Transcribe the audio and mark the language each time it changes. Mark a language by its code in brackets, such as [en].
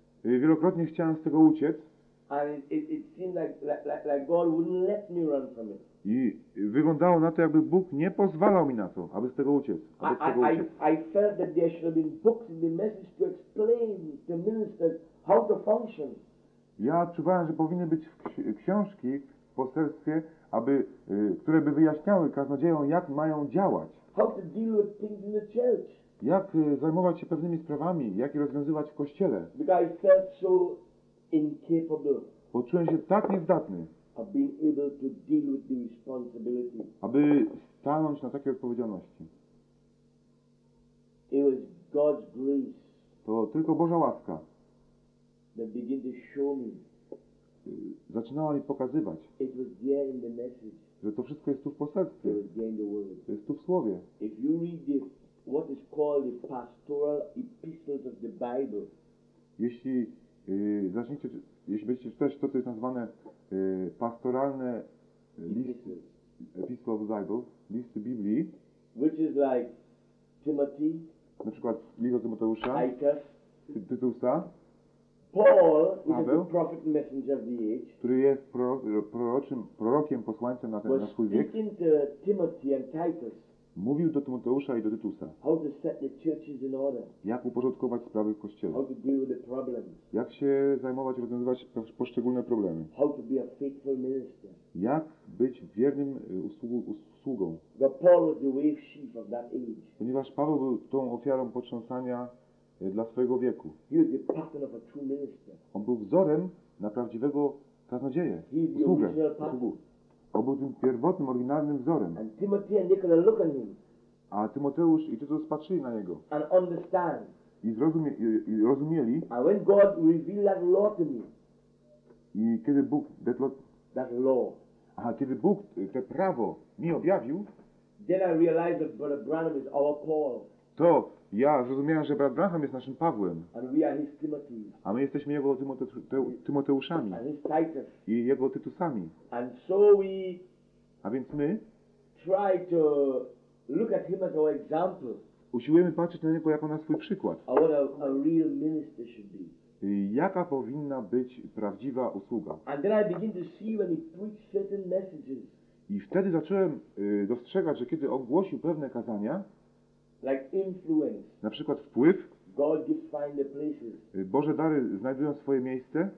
[pl] Wielokrotnie chciałem z tego uciec. [en] And it seemed like God wouldn't let me run from it. [pl] I wyglądało na to, jakby Bóg nie pozwalał mi na to, aby z tego uciec. [en] I felt that there should have been books in the message to explain to ministers how to function. [pl] Ja odczuwałem, że powinny być książki w poselstwie, które by wyjaśniały kaznodziejom, jak mają działać. [en] How to deal with things in the church. [pl] Jak zajmować się pewnymi sprawami, jak je rozwiązywać w kościele. [en] Because I felt so incapable. [pl] Poczułem się tak niezdatny, [en] of being able to deal with the responsibility. [pl] Aby stanąć na takiej odpowiedzialności. [en] It was God's grace. [pl] To tylko Boża łaska. [en] That began to show me. [pl] Zaczynała mi pokazywać. [en] It was there in the message. [pl] Że to wszystko jest tu w poselstwie. [en] It was there in the word. [pl] To jest tu w słowie. [en] If you read the what is called the pastoral epistles of the Bible. [pl] Jeśli zaczniecie, jeśli będziecie czytać to, co jest nazwane pastoralne listy, [en] Epistle of the Bible, [pl] listy Biblii, [en] which is like Timothy, [pl] na przykład list do Tymoteusza, [en] Titus, [pl] Tytusa, [en] Paul, which Abel, is the prophet messenger of the age, [pl] który jest prorokiem, posłańcem na ten [en] was [pl] na swój wiek, [en] speaking to Timothy and Titus, [pl] mówił do Tymoteusza i do Tytusa, [en] how to set the churches in order, [pl] jak uporządkować sprawy w Kościele, [en] how to deal with the problems, [pl] jak się zajmować, rozwiązywać poszczególne problemy, [en] how to be a faithful minister, [pl] jak być wiernym usługą. [en] But Paul was the wave sheaf of that age. [pl] Ponieważ Paweł był tą ofiarą potrząsania dla swojego wieku. [en] He was the pattern of a true minister. [pl] On był wzorem na prawdziwego kaznodzieję, usługę. On był tym pierwotnym, oryginalnym wzorem. [en] And Timothy and Nicola look at him. [pl] A Tymoteusz i Tytus patrzyli na niego. [en] And understand. [pl] I rozumieli. [en] And when God revealed that law to me. [pl] I kiedy Bóg [en] that law, that law. [pl] A kiedy Bóg to prawo mi objawił, [en] then I realized that Brother Branham is our Paul. [pl] To ja zrozumiałem, że brat Branham jest naszym Pawłem. [en] And we are his Timothy. [pl] A my jesteśmy jego Tymoteuszami. [en] And his Titus. [pl] I jego Tytusami. [en] And so we, [pl] a więc my, [en] try to look at him as our example. [pl] Usiłujemy patrzeć na niego jako na swój przykład. [en] What a real minister should be. [pl] Jaka powinna być prawdziwa usługa. [en] And then I begin to see when he preached certain messages. [pl] I wtedy zacząłem dostrzegać, że kiedy ogłosił pewne kazania, [en] like influence, [pl] na przykład wpływ, [en] God gives find the places. [pl] Boże dary znajdują swoje miejsce.